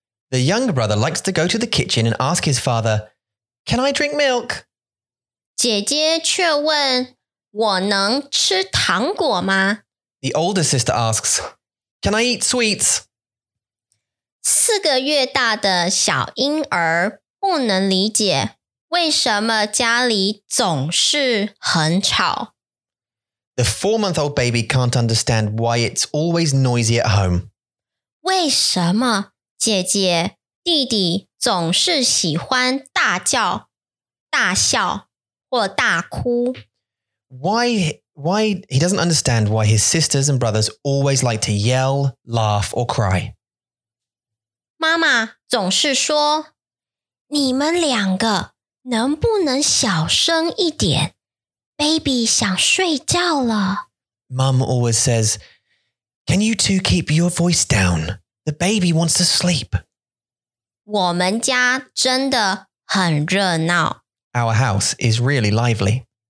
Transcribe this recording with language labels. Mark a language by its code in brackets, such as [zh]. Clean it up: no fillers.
[en] The younger brother likes to go to the kitchen and ask his father, can I drink milk? [zh] 姐姐却问,我能吃糖果吗? [en] The older sister asks, can I eat sweets? [zh] 四个月大的小婴儿不能理解, 为什么家里总是很吵? [en] The four-month-old baby can't understand why it's always noisy at home. [zh] 为什么姐姐、弟弟总是喜欢大叫、大笑或大哭? [en] Why he doesn't understand why his sisters and brothers always like to yell, laugh or cry. [zh] 妈妈总是说,你们两个能不能小声一点? Baby 想睡觉了。 [en] Mum always says, Can you two keep your voice down? The baby wants to sleep. [zh] 我们家真的很热闹。 [en] Our house is really lively.